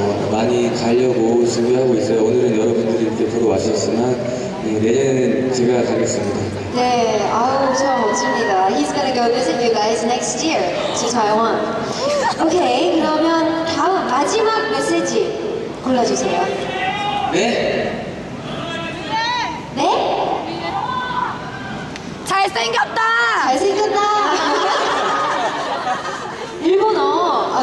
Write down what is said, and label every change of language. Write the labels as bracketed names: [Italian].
[Korean] 많이 가려고 준비하고 있어요. 오늘은 여러분들이 이렇게 보러 왔었으나 네, 내년에는 제가 가겠습니다. 네, 아우 참 멋집니다. [English] He's gonna go visit you guys next year to Taiwan. [Korean] 오케이, 그러면 다음 마지막 메시지 골라주세요. 네? 네? 잘생겼다! 잘생겼다! 일본어!